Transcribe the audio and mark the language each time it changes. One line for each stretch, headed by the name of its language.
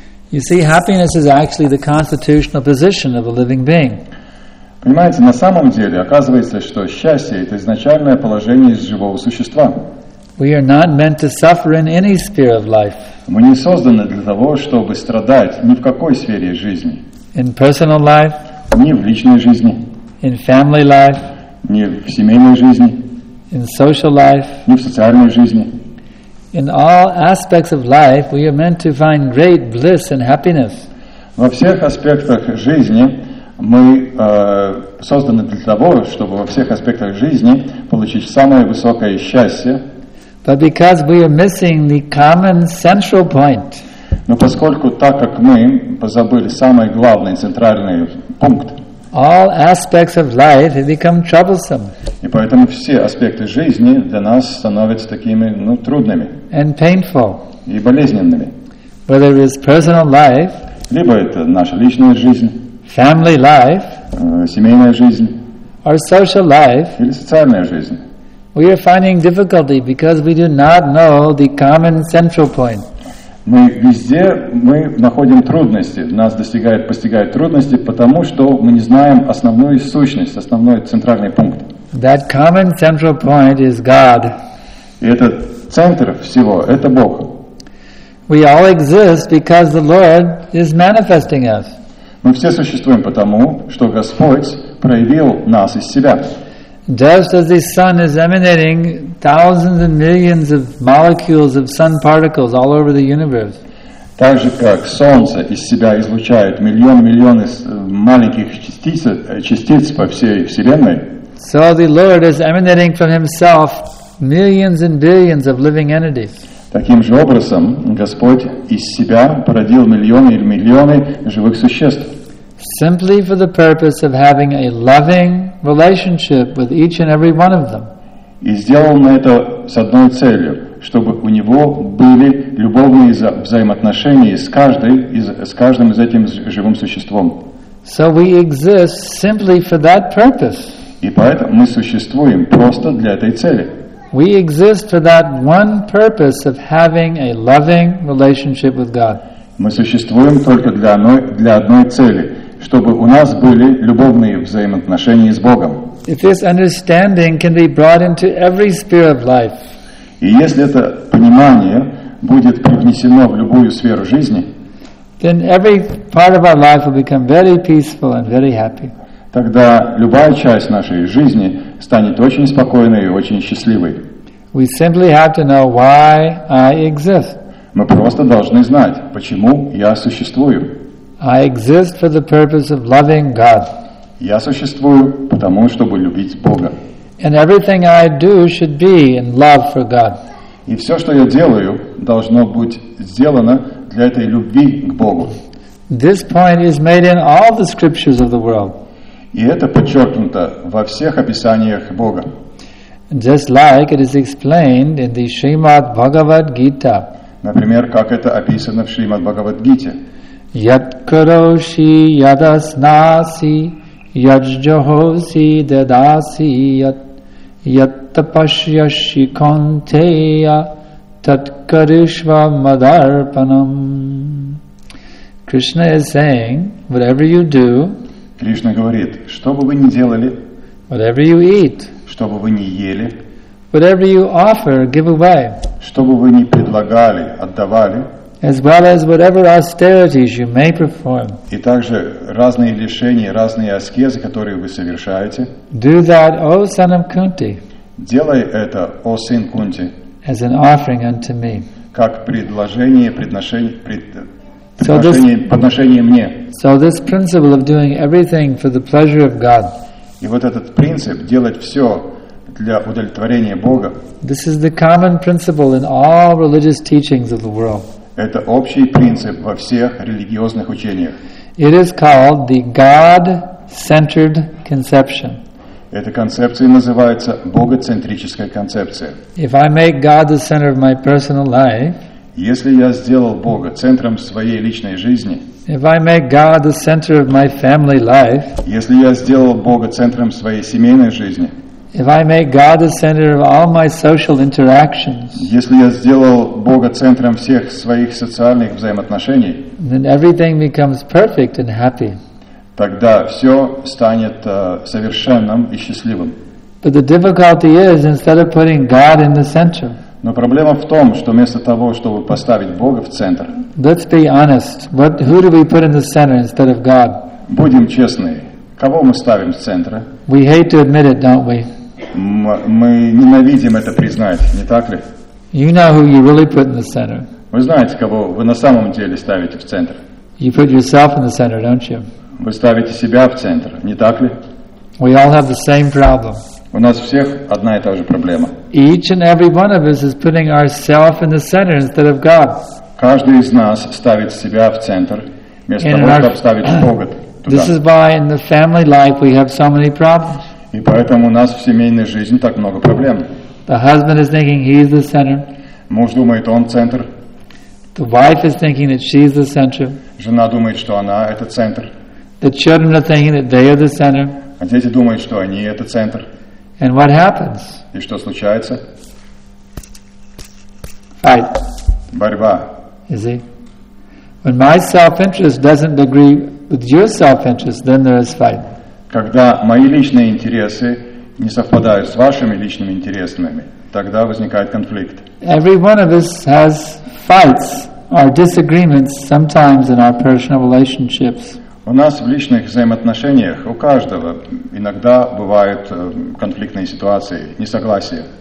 English: You see, happiness is actually the constitutional position of a living being.
Russian: Понимаете, на самом деле оказывается, что счастье – это изначальное положение живого существа.
English: We are not meant to suffer in any sphere of life.
Russian: Мы не созданы для того, чтобы страдать ни в какой сфере жизни.
English: In personal life.
Russian: Ни в личной жизни.
English: In family life.
Russian: Ни в семейной жизни.
English: In social life.
Russian: Ни в социальной жизни.
English: In all aspects of life, we are meant to find great bliss and happiness.
Russian: Во всех аспектах жизни мы созданы для того, чтобы во всех аспектах жизни получить самое высокое счастье.
English: But because we are missing the common central point.
Russian: Но поскольку так как мы позабыли самый главный центральный пункт.
English: All aspects of life have become troublesome.
Russian: И поэтому все аспекты жизни для нас становятся такими, ну, трудными.
English: And painful.
Russian: И болезненными.
English: Whether it is personal life.
Russian: Либо это наша личная жизнь.
English: Family life.
Russian: Семейная жизнь.
English: Or social life.
Russian: Или социальная жизнь.
English: We are finding difficulty because we do not know the common central point.
Russian: Мы находим трудности, нас постигают трудности, потому что мы не знаем основную сущность, основной центральный пункт.
English: That common central point is God.
Russian: И этот центр всего – это Бог.
English: We all exist because the Lord is manifesting us.
Russian: Мы все существуем потому, что Господь проявил нас из себя.
English: Just as the sun is emanating thousands and millions of molecules of sun particles all over the universe.
Russian: Так же как солнце из себя излучает миллионы маленьких частиц по всей вселенной.
English: So the Lord is emanating from himself millions and billions of living entities.
Russian: Таким же образом Господь из себя породил миллионы и миллионы живых существ.
English: Simply for the purpose of having a loving relationship with each and every one of them.
Russian: И сделано это с одной целью, чтобы у него были любовные взаимоотношения с каждым из этим живым существом.
English: So we exist simply for that purpose.
Russian: И поэтому мы существуем просто для этой цели.
English: We exist for that one purpose of having a loving relationship with God.
Russian: Мы существуем только для одной цели. Чтобы у нас были любовные взаимоотношения с Богом.
English: If this understanding can be brought into every sphere of life.
Russian: И если это понимание будет привнесено в любую сферу жизни,
English: then every part of our life will become very peaceful and very happy.
Russian: Тогда любая часть нашей жизни станет очень спокойной и очень счастливой.
English: We simply have to know why I exist.
Russian: Мы просто должны знать, почему я существую.
English: I exist for the purpose of loving God.
Russian: Я существую потому, чтобы любить Бога.
English: And everything I do should be in love for God.
Russian: И все, что я делаю, должно быть сделано для этой любви к Богу.
English: This point is made in all the scriptures of the world.
Russian: И это подчеркнуто во всех описаниях Бога.
English: Just like it is explained in the Srimad Bhagavad Gita.
Russian: Например, как это описано в Шримад Бхагавад Гите.
Sanskrit: Yat karoshi yadasnasi yajjohosi dadasi yat yat tapashyashi kaunteya tat karishva madarpanam.
English: Krishna is saying, whatever you do,
Russian: Krishna говорит, что бы вы ни делали,
English: whatever you eat,
Russian: что бы вы ни ели,
English: whatever you offer, give away,
Russian: что бы вы ни предлагали, отдавали,
English: as well as whatever austerities you may perform.
Russian: И также разные лишения, разные аскезы, которые вы совершаете.
English: Do that, O son of Kunti.
Russian: Делай это, о сын Кунти.
English: As an offering unto me.
Russian: Как предложение, подношение мне.
English: So this principle of doing everything for the pleasure of God.
Russian: И вот этот принцип делать все для удовлетворения Бога.
English: This is the common principle in all religious teachings of the world.
Russian: Это общий принцип во всех религиозных учениях.
English: It is called the God-centered conception.
Russian: Эта концепция называется богоцентрическая концепция.
English: If I make God the center of my personal life,
Russian: если я сделал Бога центром своей личной жизни,
English: if I make God the center of my family life,
Russian: если я сделал Бога центром своей семейной жизни,
English: If I make God the center of all my social interactions,
Russian: если я сделал Бога центром всех своих социальных взаимоотношений,
English: then everything becomes perfect and happy.
Russian: Тогда все станет совершенным и счастливым.
English: But the difficulty is, instead of putting God in the center.
Russian: Но проблема в том, что вместо того, чтобы поставить Бога в центр,
English: let's be honest. What, who do we put in the center instead of God?
Russian: Будем честны. Кого мы ставим в центр?
English: We hate to admit it, don't we?
Russian: Мы ненавидим это признать, не так ли?
English: You know who you really put in the center.
Russian: Вы знаете, кого вы на самом деле ставите в центр?
English: You put yourself in the center, don't you?
Russian: Вы ставите себя в центр, не так ли?
English: We all have the same problem.
Russian: У нас всех одна и та же проблема.
English: Each and every one of us is putting ourselves in the center instead of God.
Russian: Каждый из нас ставит себя в центр вместо in того, чтобы ставить Бога.
English: This is why in the family life we have so many problems.
Russian: И поэтому у нас в семейной жизни так много проблем.
English: The husband is thinking he's the center.
Russian: Муж думает, он центр.
English: The wife is thinking that she's the center.
Russian: Жена думает, что она это центр.
English: The children are thinking that they are the center.
Russian: А дети думают, что они это центр.
English: And what happens?
Russian: И что случается?
English: Fight.
Russian: Борьба.
English: Is it? When my self-interest doesn't agree with your self-interest, then there is fight.
Russian: Когда мои личные интересы не совпадают с вашими личными интересами, тогда возникает конфликт.
English: Every one of us has fights or disagreements sometimes in our personal relationships.
Russian: У нас в личных взаимоотношениях у каждого иногда бывают конфликтные ситуации, несогласия.